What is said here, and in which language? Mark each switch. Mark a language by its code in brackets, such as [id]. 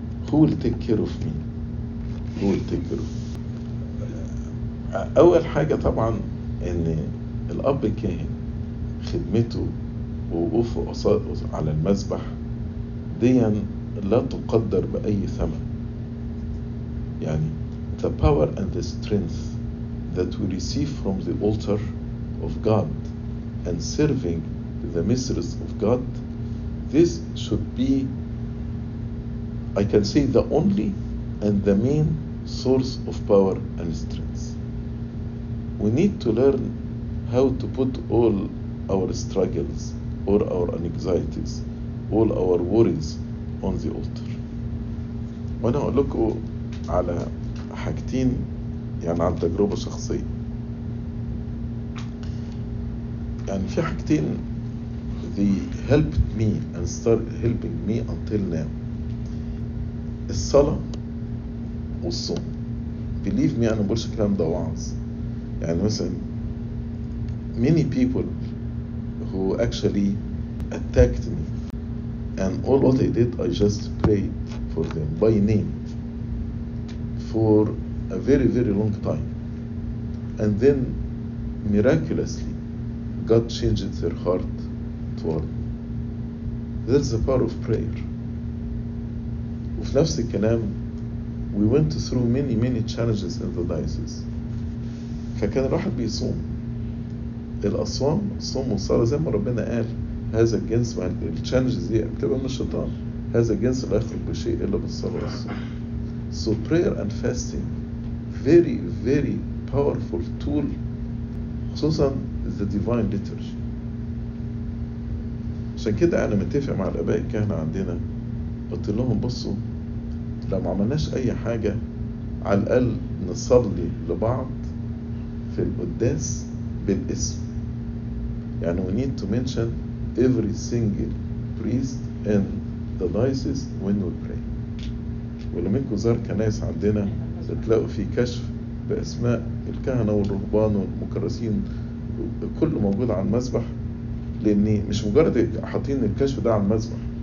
[en] Who will take care of me? Who will take care of me? [ar] أول حاجة طبعا إن الأب كاهن خدمته ووقوفه على المذبح دي لا تقدر بأي ثمن. يعني [en] the power and the strength that we receive from the altar of God and serving the mistress of God, this should be, I can say, the only and the main source of power and strength. We need to learn how to put all our struggles, all our anxieties, all our worries on the altar. [ar] وانا اقول لكم على حاجتين يعني عن تجربة شخصية. يعني في حاجتين [en] they helped me and start helping me until now. [ar] الصلاة والصوم. [en] Believe me, [ar] أنا بقولش كلام ده وعظ. يعني مثلا [en] many people who actually attacked me and all what I did, I just prayed for them by name for a very very long time, and then miraculously God changed their heart toward me. That's the power of prayer. [ar] وفي نفس الكلام [en] we went through many many challenges in the diocese. [ar] فكان الواحد بيصوم الأصوام صوم وصلاة زي ما ربنا قال, هذا الجنس مع التشالنجز دي بتبقى من الشيطان, هذا الجنس لا يخرج بشيء إلا بالصلاة والصوم. [en] So prayer and fasting very very powerful tool, [ar] خصوصا [en] the divine liturgy. [ar] عشان كده أنا متفق مع الأباء الكهنة عندنا, قلت لهم بصوا لو ما عملناش أي حاجة على الأقل نصلي لبعض في القداس بالاسم. يعني [en] we need to mention every single priest in the diocese when we pray. [ar] ولما يكون زار كنائس عندنا تلاقوا في كشف بأسماء الكهنة والرهبان والمكرسين كل موجود على المسبح, لأن مش مجرد حاطين الكشف ده على المسبح.